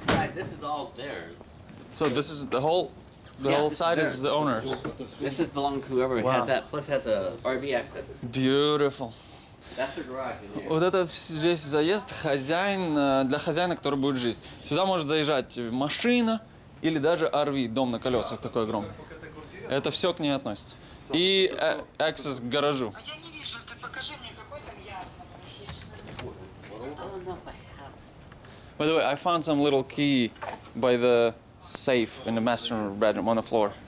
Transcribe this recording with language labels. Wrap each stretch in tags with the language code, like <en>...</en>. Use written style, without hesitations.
<en>Besides, this is all theirs. So this is the whole, whole side is the owner's. This is belong to whoever has that. Plus has a RV access. Beautiful. That's the garage in here.</en> <ru>Вот это весь заезд хозяин, для хозяина, который будет жить. Сюда может заезжать машина или даже RV, дом на колесах такой огромный. Это все к ней относится. И access к гаражу. А я не вижу, ты покажи мне, какой там ящик.</ru> <en>By the way, I found some little key by the safe in the master bedroom on the floor.</en>